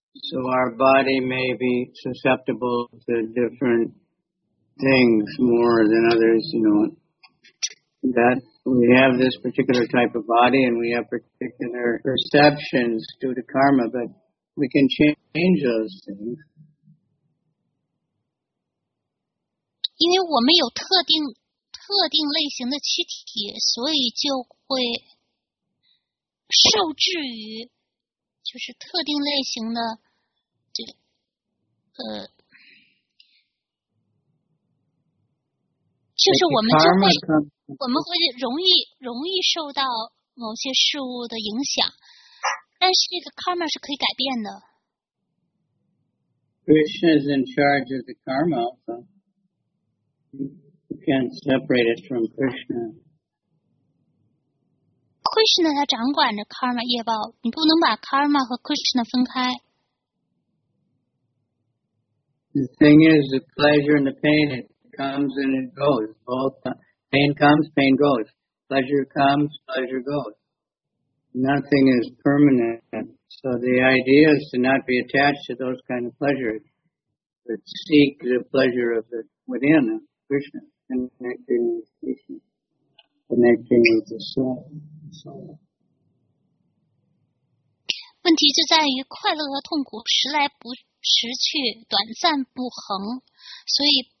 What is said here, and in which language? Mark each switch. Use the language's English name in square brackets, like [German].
[English] So our body may be susceptible to different... things more than others, you know, that we have this particular type of body and we have particular perceptions due to karma, but we can change those things. [Chinese] 因为我们有特定类型的躯体，所以就会受制于就是特定类型的这个就是我们会容易受到某些事物的影响，但是这个 karma 是可以改变的。 [English] Krishna is in charge of the karma, so you can't separate it from Krishna. [Chinese] Krishna 他掌管着 karma 业报，你不能把 karma 和 Krishna 分开。 [English] The thing is, the pleasure and the pain is. Comes and it goes. Both pain comes, pain goes. Pleasure comes, pleasure goes. Nothing is permanent. So the idea is to not be attached to those kind of pleasures, but seek the pleasure of the within of Krishna, connecting with Krishna, connecting with the soul. [Chinese] 问题就在于快乐和痛苦时来不时去，短暂不恒，所以。